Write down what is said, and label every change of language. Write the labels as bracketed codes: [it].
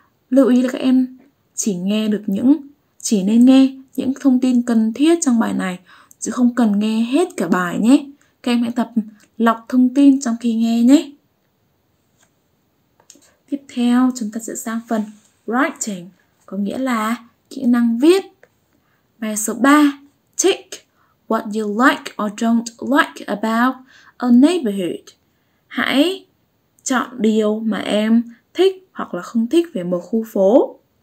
[vi] Lưu ý là các em chỉ nên nghe những thông tin cần thiết trong bài này, chứ không cần nghe hết cả bài nhé. Các em hãy tập lọc thông tin trong khi nghe nhé. Tiếp theo chúng ta sẽ sang phần writing, có nghĩa là kỹ năng viết. Bài số 3, [en] tick what you like or don't like about a neighborhood. [vi] Hãy chọn điều mà em thích hoặc là không thích về một khu phố.